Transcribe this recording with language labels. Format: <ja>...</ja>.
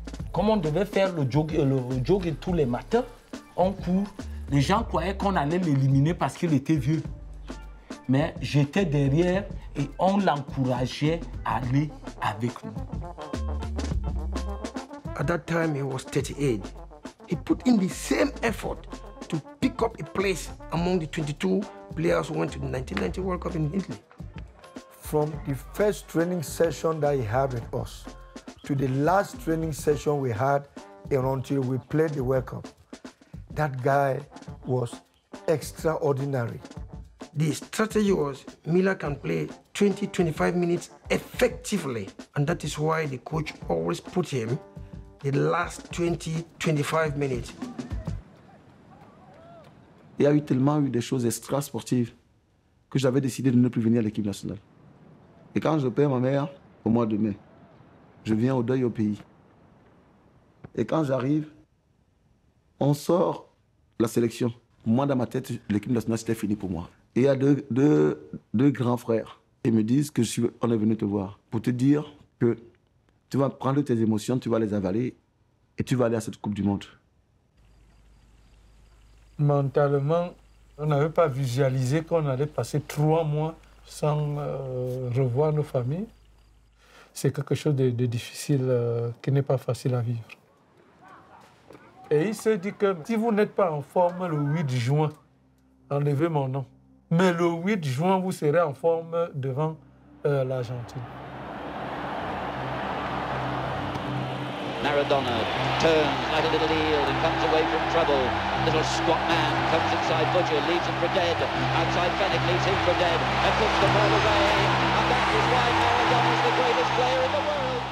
<fr>Comme on devait faire le jog tous les matins, on court. Les gens croyaient qu'on allait l'éliminer parce qu'il était vieux. Mais j'étais derrière et on l'encourageait à aller avec nous.</fr> <en>At that time, he was 38. He put in the same effort to pick up a place among the 22 players who went to the 1990 World Cup in Italy. From the first training session that he had with us to the last training session we had until we played the World Cup, that guy was extraordinary. The strategy was Miller can play 20, 25 minutes effectively, and that is why the coach always put him the last 20, 25 minutes.</en> <fr>Il y a eu tellement eu des choses extra-sportives que j'avais décidé de ne plus venir à l'équipe nationale. Et quand je perds ma mère au mois de mai, je viens au deuil au pays. Et quand j'arrive, on sort la sélection. Moi, dans ma tête, l'équipe nationale, c'était fini pour moi. Et il y a deux grands frères qui me disent qu'on est venu te voir pour te dire que tu vas prendre tes émotions, tu vas les avaler et tu vas aller à cette Coupe du Monde. Mentalement, on n'avait pas visualisé qu'on allait passer 3 mois sans revoir nos familles. C'est quelque chose de difficile, qui n'est pas facile à vivre. Et il s'est dit que si vous n'êtes pas en forme le 8 juin, enlevez mon nom. Mais le 8 juin, vous serez en forme devant l'Argentine.</fr> <en>Maradona turns out of the field and comes away from trouble. Little squat man comes inside Butcher, leaves him for dead. Outside Fennec leaves him for dead and puts the ball away. And that is why Maradona is the greatest player in the world.</en>